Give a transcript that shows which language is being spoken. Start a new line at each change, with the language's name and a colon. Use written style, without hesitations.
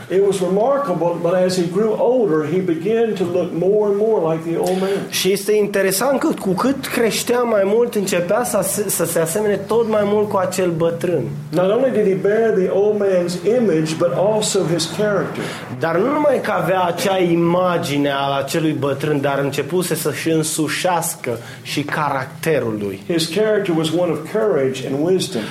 English: It was remarkable, but as he grew older, he began to look more and more like the old man.
Romanian: Și este interesant că cu cât creștea mai mult, începea să se asemene tot mai mult cu acel bătrân.
English: Not only did he bear the old man's image, but also his character.
Romanian: Dar nu numai că avea acea imagine al acelui bătrân, dar începuse să-și însușească și caracterul lui.
English: His character was one of courage and wisdom.